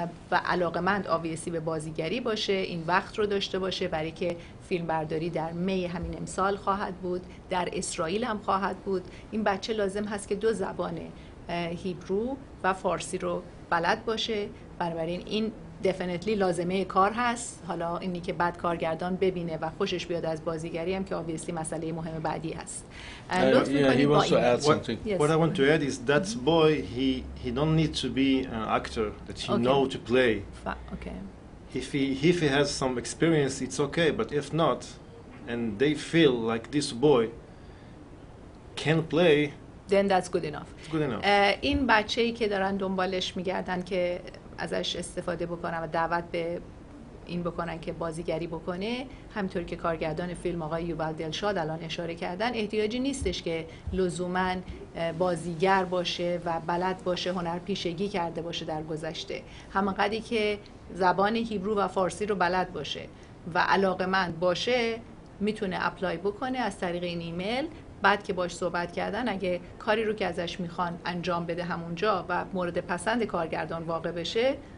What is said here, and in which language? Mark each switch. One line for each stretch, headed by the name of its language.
Persian: و علاقمند آویسی به بازیگری باشه این وقت رو داشته باشه برای که فیلم برداری در می همین امسال خواهد بود در اسرائیل هم خواهد بود این بچه لازم هست که دو زبان هیبرو و فارسی رو بلد باشه بنابراین این دفنیتلی لازمه کار هست حالا اینی که بعد کارگردان ببینه و خوشش بیاد از بازیگری هم که آویسی مسئله مهم بعدی هست
English: What I want to add is that boy he don't need to be an actor that he know to play. If he has some experience it's okay but if not and they feel like this boy can play then that's good enough. It's good enough.
Persian: این بچه‌ای که دارن دنبالش می‌گردن که ازش استفاده بکنن و دعوت به این بکنن که بازیگری بکنه همطور که کارگردان فیلم آقای یوبال دلشاد الان اشاره کردن احتیاجی نیستش که لزوماً بازیگر باشه و بلد باشه هنرپیشگی کرده باشه در گذشته همانقدی که زبان هیبرو و فارسی رو بلد باشه و علاقمند باشه میتونه اپلای بکنه از طریق این ایمیل بعد که باش صحبت کردن اگه کاری رو که ازش میخوان انجام بده همونجا و مورد پسند کارگردان واقع بشه